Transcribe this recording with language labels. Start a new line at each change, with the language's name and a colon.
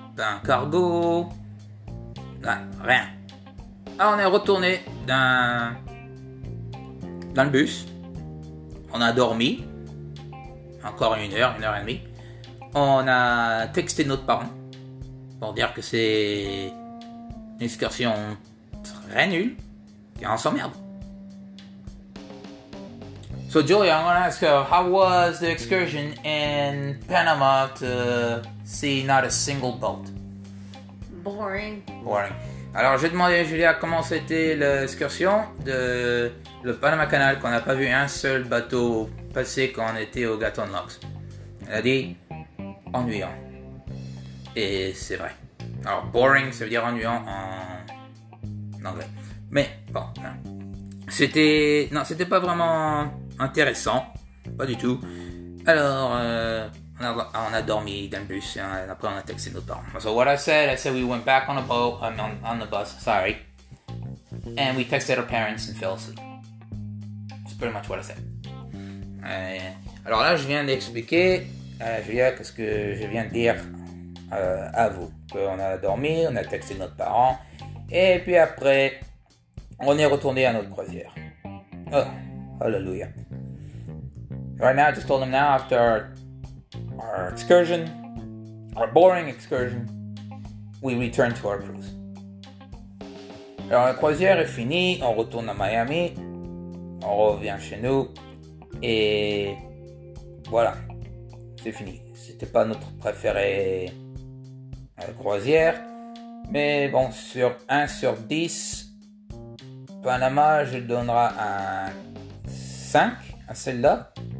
French: d'un cargo, rien. Alors on est retourné dans le bus, on a dormi, encore une heure et demie. On a texté notre parent pour dire que c'est une excursion très nulle et on s'emmerde.
English: So Julia, I'm gonna ask her, how was the excursion in Panama to see not a single boat? Boring. Boring.
French: Alors j'ai demandé à Julia comment c'était l'excursion de le Panama Canal qu'on n'a pas vu un seul bateau passer quand on était au Gatun Locks. Elle a dit ennuyant. Et c'est vrai. Alors boring, ça veut dire ennuyant en anglais. Mais bon, c'était pas vraiment intéressant, pas du tout. Alors, on a dormi dans le bus et après on a texté nos parents.
English: So what I said we went back on a boat, on the bus, sorry. And we texted our parents and fell asleep. That's pretty much what I said.
French: Alors là, je viens d'expliquer à Julia ce que je viens de dire à vous. On a dormi, on a texté nos parents et puis après, on est retourné à notre croisière.
English: Oh, hallelujah. Right now, I just told him now, after our excursion, our boring excursion, we return to our cruise.
French: Alors, la croisière est finie, on retourne à Miami, on revient chez nous, et voilà, c'est fini. C'était pas notre préféré croisière, mais bon, sur 1 sur 10, Panama, je donnerai un 5 à celle-là.